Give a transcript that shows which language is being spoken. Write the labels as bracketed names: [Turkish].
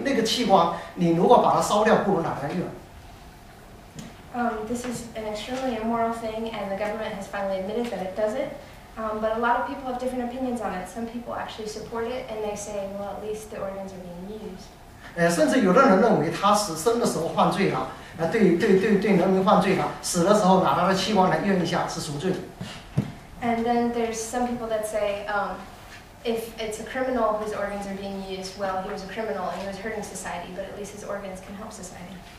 [Chinese] 那这本来是很不人道的事情，原来一直政府一直不承认了，现在这次承认了，承认说是这么回事。那这个事件的话，对很多中国民众在中间引起反响，相当一部分的人是认为说这样做是对的，因为那个器官你如果把它烧掉，不如拿来用。 [English] This is an extremely immoral thing, and the government has finally admitted that it does it. But a lot of people have different opinions on it. Some people actually support it, and they say, well, at least the organs are being used. [Chinese] 甚至有的人认为他死生的时候犯罪了，对人民犯罪了，死的时候拿他的器官来用一下是赎罪的。 [English] And then there's some people that say, if it's a criminal whose organs are being used, well, he was a criminal and he was hurting society, but at least his organs can help society.